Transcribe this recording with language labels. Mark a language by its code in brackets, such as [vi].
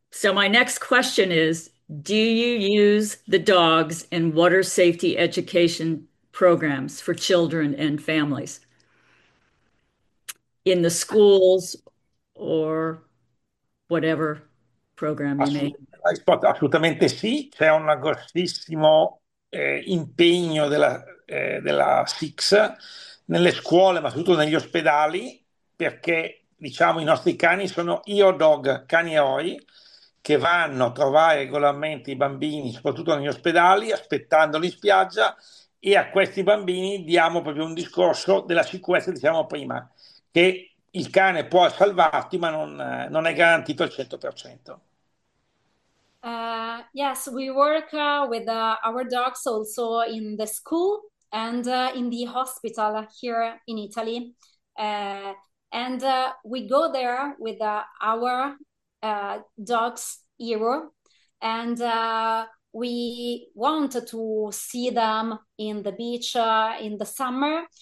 [en] So my next question is, do you use the dogs in water safety education programs for children and families in the schools or whatever program you may have? [it] Assolutamente sì, c'è un grossissimo impegno della SIX nelle scuole, ma soprattutto negli ospedali, perché diciamo i nostri cani sono io dog, cani eroi, che vanno a trovare regolarmente i bambini, soprattutto negli ospedali, aspettandoli in spiaggia, e a questi bambini diamo proprio un discorso della sicurezza, diciamo prima, che il cane può salvarti, ma non è garantito al 100%. [en] Yes, we work with our dogs also in the school and in the hospital here in Italy. And we go there with our dogs, Hero, and we want to see them in the beach in the summer,